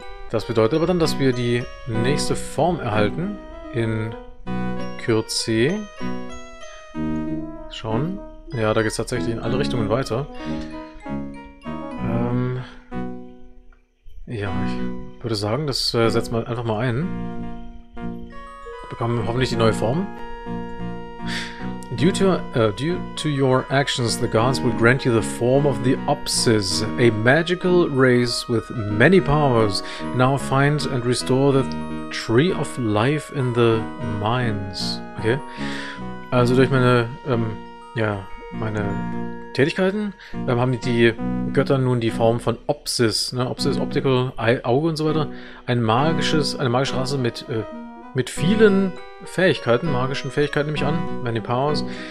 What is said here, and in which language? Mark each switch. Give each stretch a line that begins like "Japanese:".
German: Das bedeutet aber dann, dass wir die nächste Form erhalten in Kürze. Schauen. Ja, da geht es tatsächlich in alle Richtungen weiter. Ja, ich würde sagen, das setzen wir einfach mal ein. Bekommen wir hoffentlich die neue Form.
English: Due to your actions, the gods will grant you the form of the Opsis, a magical race with many powers. Now find and restore the Tree of Life in the Mines. Okay.
German: Also durch meine, meine Tätigkeiten haben die Götter nun die Form von Opsis, ne? Opsis, Optical, Auge und so weiter. Eine magische Rasse mit vielen Fähigkeiten, magischen Fähigkeiten nehme ich an,
English: many powers.